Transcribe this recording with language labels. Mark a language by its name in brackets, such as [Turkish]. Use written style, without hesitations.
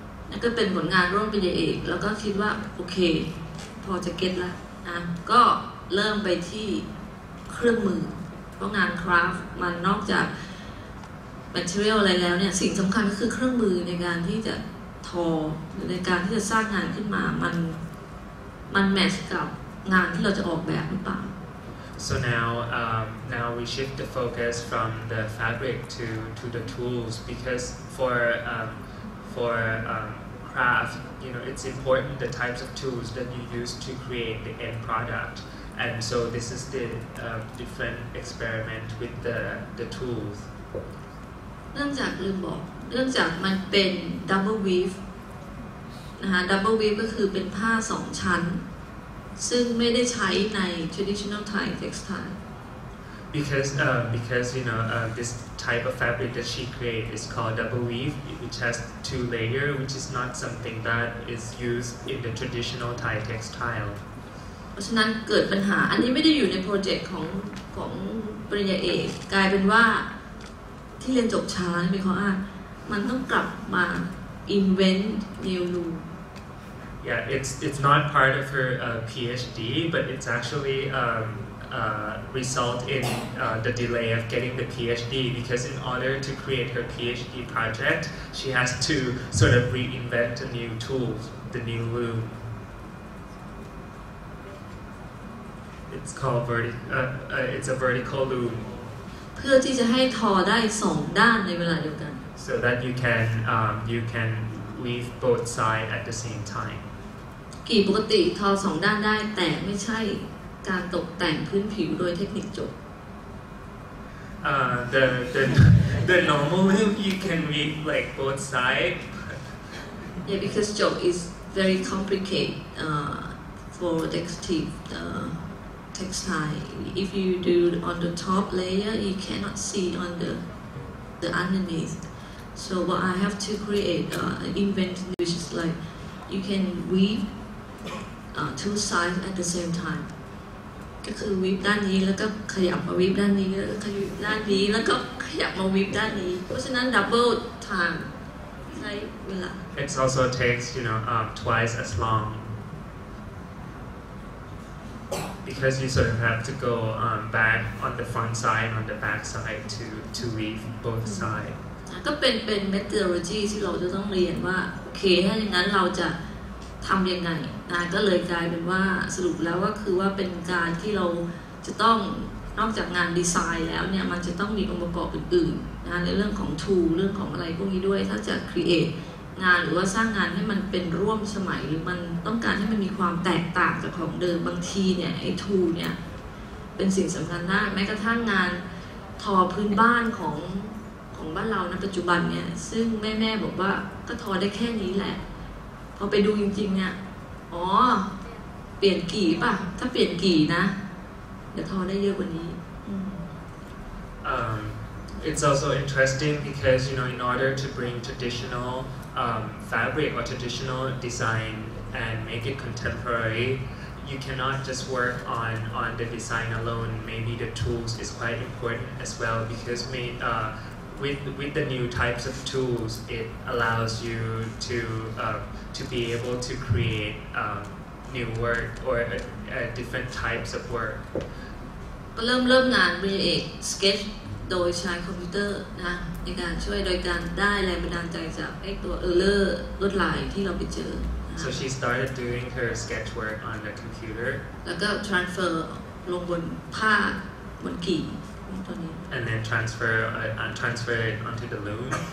[Thai] นั่นก็เป็นผลงานร่วมปริญญาเอกแล้วก็คิดว่าโอเคพอจะเก็ตละนะก็เริ่มไปที่เครื่องมือเพราะงานคราฟต์มันนอกจาก material อะไรแล้วเนี่ยสิ่งสำคัญก็คือเครื่องมือในการที่จะทอหรือในการที่จะสร้างงานขึ้นมามันแมทช์กับงานที่เราจะออกแบบหรือเปล่า [English] So now, now we shift the focus from the fabric to the tools because for craft, you know, it's important the types of tools that you use to create the end product. And so this is the different experiment with the tools. [Thai] เนื่องจากลืมบอกเนื่องจากมันเป็น double weave นะฮะ double weave ก็คือเป็นผ้าสองชั้นซึ่งไม่ได้ใช้ใน traditional Thai textile [English] because you know this type of fabric that she created is called double weave which has two layer which is not something that is used in the traditional Thai textile [Thai] เพราะฉะนั้นเกิดปัญหาอันนี้ไม่ได้อยู่ในโปรเจกต์ของปริญญาเอกกลายเป็นว่าที่เรียนจบช้ามีข้ออ้างมันต้องกลับมา invent new rules [English] Yeah, it's not part of her PhD, but it's actually result in the delay of getting the PhD because in order to create her PhD project, she has to sort of reinvent a new tool, the new loom. It's called it's a vertical loom. [Thai] เพื่อที่จะให้ทอได้สองด้านในเวลาเดียวกัน [English] So that you can weave both sides at the same time. [Thai] อีปกติทอสองด้านได้แต่ไม่ใช่การตกแต่งพื้นผิวโดยเทคนิคจบ [English] The normal loop you can weave like both sides Yeah because job is very complicated for textile if you do on the top layer you cannot see on the underneath so what I have to create invent which is like you can weaveTwo sides at the same time [Thai] ก็คือวีบด้านนี้แล้วก็ขยับมาวีบด้านนี้แล้วขยับด้านนี้แล้วก็ขยับมาวีบด้านนี้เพราะฉะนั้น double time ใช้เวลา [English] It also takes you know twice as long because you sort of have to go back on the front side on the back side to weave both side [Thai] ก็เป็น methodology ที่เราจะต้องเรียนว่าโอเคถ้าอย่างนั้นเราจะทำยังไงก็เลยกลายเป็นว่าสรุปแล้วก็คือว่าเป็นการที่เราจะต้อง นอกจากงานดีไซน์แล้วเนี่ยมันจะต้องมีองค์ประกอบอื่นๆงานในเรื่องของทูเรื่องของอะไรพวกนี้ด้วยถ้าจะครีเอทงานหรือว่าสร้างงานให้มันเป็นร่วมสมัยหรือมันต้องการให้มันมีความแตกต่างจากของเดิมบางทีเนี่ยไอ้ทูเนี่ยเป็นสิ่งสำคัญมากแม้กระทั่งงานทอพื้นบ้านของ บ้านเราณปัจจุบันเนี่ยซึ่งแม่บอกว่าก็ทอได้แค่นี้แหละพอไปดูจริงๆเนี่ยอ๋อเปลี่ยนกี่ป่ะถ้าเปลี่ยนกี่นะเดี๋ยวทอได้เยอะกว่านี้ [English] it's also interesting because you know in order to bring traditionalfabric or traditional design and make it contemporary, you cannot just work on the design alone. Maybe the tools is quite important as well because with the new types of tools, it allows you to be able to create new work or different types of work. [Thai] เริ่มงานเป็นเอก sketch โดยใช้คอมพิวเตอร์นะในการช่วยโดยการได้แรงบันดาลใจจากไอ้ตัวเออร์เลอร์ลวดลายที่เราไปเจอ [English] so she started doing her sketch work on the computer [Thai] แล้วก็ transfer ลงบนผ้าบนกี่ตัวนี้ [English] and then transfer transfer it onto the loom